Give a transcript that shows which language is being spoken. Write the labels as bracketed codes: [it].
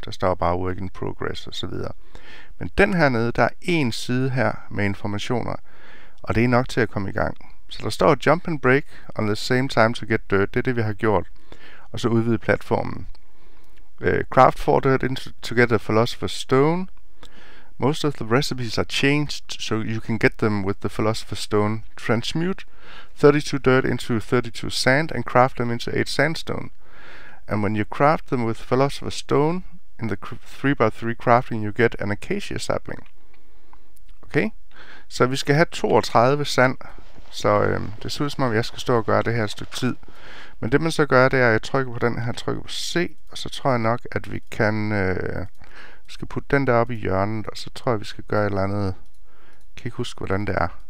[da] Der står bare work in progress og så videre. Men den her nede, der er en side her med informationer, og det er nok til at komme i gang. Så der står [en] jump and break on the same time to get dirt. [da] Det er det, vi har gjort. Og så udvide platformen. [en] Craft for dirt to get a philosopher's stone. Most of the recipes are changed, so you can get them with the philosopher's stone. Transmute 32 dirt into 32 sand and craft them into 8 sandstone. And when you craft them with philosopher's stone, in the 3x3 crafting you get an acacia sapling. Okay? [da] Så vi skal have 32 sand, så det ser ud som om jeg skal stå og gøre det her et stykke tid. Men det man så gør, det er at jeg trykker på den her, trykker på C, og så tror jeg nok, at vi kan... Vi skal putte den der op i hjørnet, og så tror jeg, vi skal gøre et eller andet. Jeg kan ikke huske, hvordan det er.